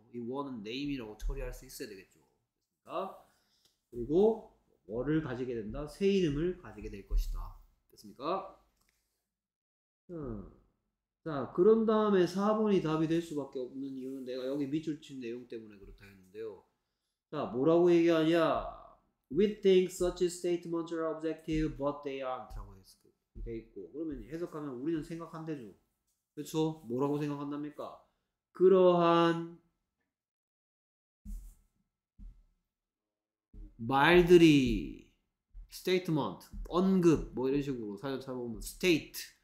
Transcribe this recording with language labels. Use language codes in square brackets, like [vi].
[ko] 이 원은 네임이라고 처리할 수 있어야 되겠죠. 됐습니까? 그리고 뭐를 가지게 된다? 새 이름을 가지게 될 것이다. 됐습니까? 자, 그런 다음에 4번이 답이 될 수밖에 없는 이유는 내가 여기 밑줄 친 내용 때문에 그렇다 했는데요. 자, 뭐라고 얘기하냐? [en] We think such statements are objective, but they aren't. [ko] 라고 돼 있고. 그러면 해석하면 우리는 생각한대죠. 그렇죠? 뭐라고 생각한답니까? 그러한 말들이 statement, 언급 뭐 이런 식으로 사전 찾아보면 state.